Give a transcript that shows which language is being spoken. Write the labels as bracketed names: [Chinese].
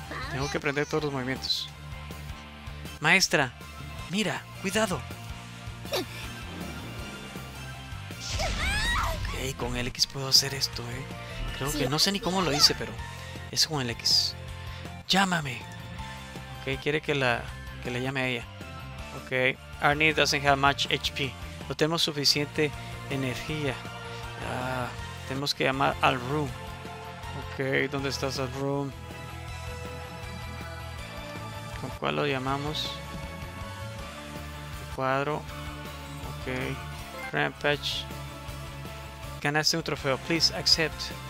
[Spanish] Tengo que aprender todos los movimientos. Maestra, mira, cuidado. Ok, con el X puedo hacer esto, Creo que no sé ni cómo lo hice, pero es con el X. Llámame. Ok, quiere que le llame a ella. [English] Ok, Arnie doesn't have much HP. [Spanish] No tenemos suficiente energía. Tenemos que llamar al room. Ok, ¿dónde estás al room? ¿Con cuál lo llamamos? Cuadro. Ok. Rampage. Ganaste un trofeo. [English] Please accept.